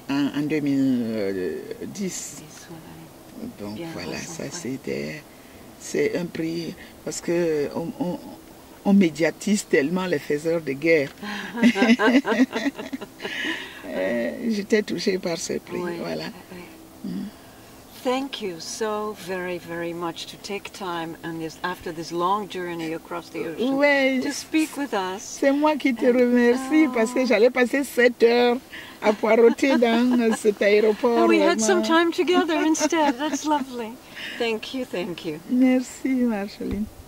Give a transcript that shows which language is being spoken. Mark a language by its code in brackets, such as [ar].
[fr] En 2010. Donc bien voilà, ça c'est un prix, parce que on médiatise tellement les faiseurs de guerre. J'étais touchée par ce prix, oui, voilà. Oui. [en] Thank you so very, very much to take time and after this long journey across the ocean, [fr] oui, [en] to speak with us. [fr] C'est moi qui te remercie, parce que j'allais passer 7 heures à poireauter dans cet aéroport. [en] And we had some time together instead. That's lovely. Thank you, thank you. [fr] Merci, Marceline.